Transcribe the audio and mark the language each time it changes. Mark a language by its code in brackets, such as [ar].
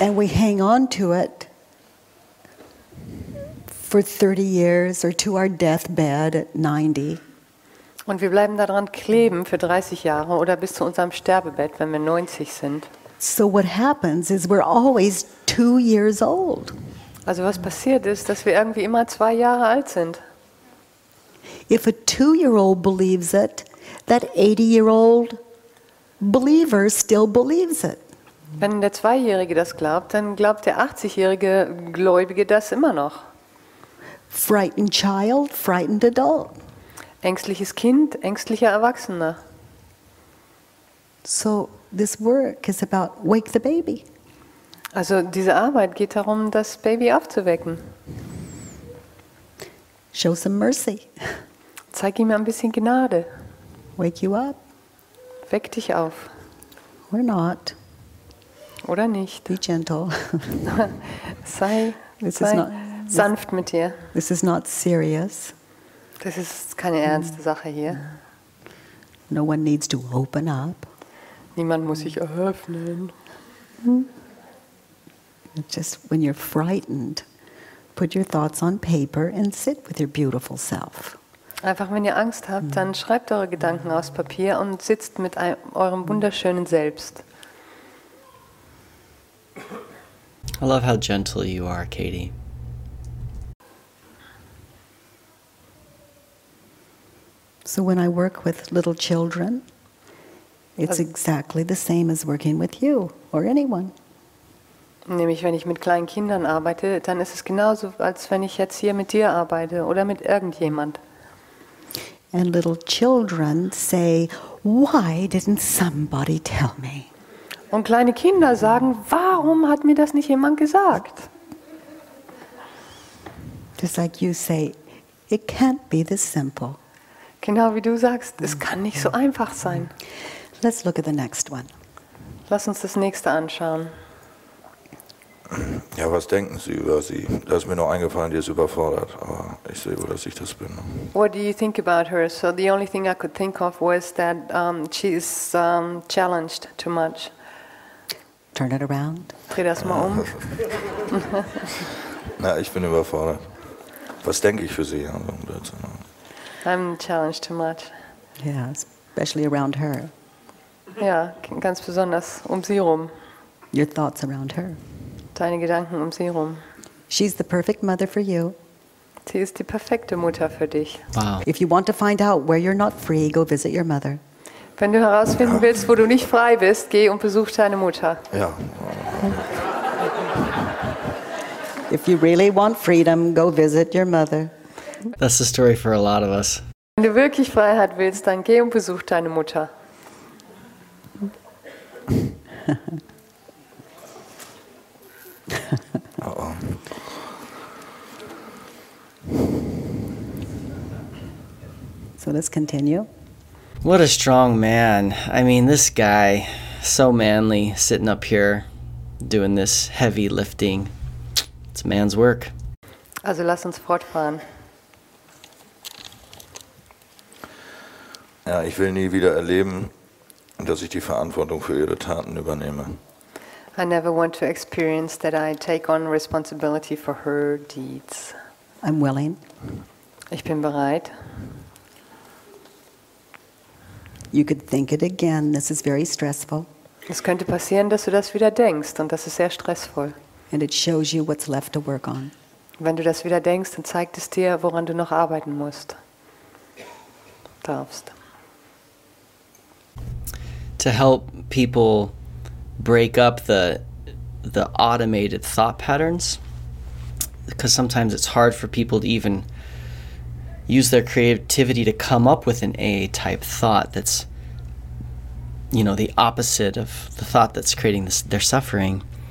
[en] And we hang on to it for 30 years or to our deathbed at 90. [de] Und wir bleiben daran kleben für 30 Jahre oder bis zu unserem Sterbebett, wenn wir 90 sind. [en] So what happens is we're always 2 years old. [de] Also was passiert ist, dass wir irgendwie immer 2 Jahre alt sind. [en] If a 2-year-old believes it, that 80-year-old believer still believes it. [de] Wenn der 2-Jährige das glaubt, dann glaubt der 80-Jährige Gläubige das immer noch. [en] Frightened child, frightened adult. [de] Ängstliches Kind, ängstlicher Erwachsener. [en] So this work is about wake the baby. [de] Also diese Arbeit geht darum, das Baby aufzuwecken. [en] Show some mercy. [de] Zeig ihm ein bisschen Gnade. [en] Wake you up. [de] Weck dich auf. [en] We're not. [de] Oder nicht. [en] Be gentle. [de] sei sanft mit dir. [en] This is not serious. [de] Das ist keine ernste Sache hier. [en] No one needs to open up. [de] Niemand muss sich öffnen. [en] Just when you're frightened, put your thoughts on paper and sit with your beautiful self. [de] Einfach wenn ihr Angst habt, dann schreibt eure Gedanken aus Papier und sitzt mit eurem wunderschönen Selbst. [en] I love how gentle you are, Katie. So when I work with little children, it's exactly the same as working with you or anyone. [de] Nämlich wenn ich mit kleinen Kindern arbeite, dann ist es genauso, als wenn ich jetzt hier mit dir arbeite oder mit irgendjemand. [en] And little children say, why didn't somebody tell me? [de] Und kleine Kinder sagen, warum hat mir das nicht jemand gesagt? [en] Just like you say, it can't be this simple. [de] Genau wie du sagst, es kann nicht so einfach sein. [en] Let's look at the next one. [de] Lass uns das nächste anschauen. Ja, was denken Sie über sie? Da ist mir nur eingefallen, die ist überfordert, aber ich sehe wohl, dass ich das bin. [en] What do you think about her? So the only thing I could think of was that she is challenged too much. Turn it around. [de] Dreh das mal um. Na, ich bin überfordert. Was denke ich für sie? [en] I'm challenged too much. Yeah, especially around her. [de] Ja, ganz besonders um sie rum. [en] Your thoughts around her. [de] Deine Gedanken um sie rum. [en] She's the perfect mother for you. [de] Sie ist die perfekte Mutter für dich. [en] Wow. If you want to find out where you're not free, go visit your mother. [de] Wenn du herausfinden willst, wo du nicht frei bist, geh und besuch deine Mutter. Ja. [en] If you really want freedom, go visit your mother. That's the story for a lot of us. [de] Wenn du wirklich Freiheit willst, dann geh und besuch deine Mutter. [en] Uh-oh. So let's continue. What a strong man. I mean, this guy, so manly, sitting up here doing this heavy lifting. It's man's work. [de] Also lass uns fortfahren. Ja, ich will nie wieder erleben, dass ich die Verantwortung für ihre Taten übernehme. [en] I never want to experience that I take on responsibility for her deeds. I'm willing. [de] Ich bin bereit. [en] You could think it again. This is very stressful. [de] Es könnte passieren, dass du das wieder denkst, und das ist sehr stressvoll. [en] And it shows you what's left to work on. [de] Wenn du das wieder denkst, dann zeigt es dir, woran du noch arbeiten musst. Darfst. [en] To help people break up the automated thought patterns, because sometimes it's hard for people to even use their creativity to come up with an AA-type thought that's, you know, the opposite of the thought that's creating this, their suffering.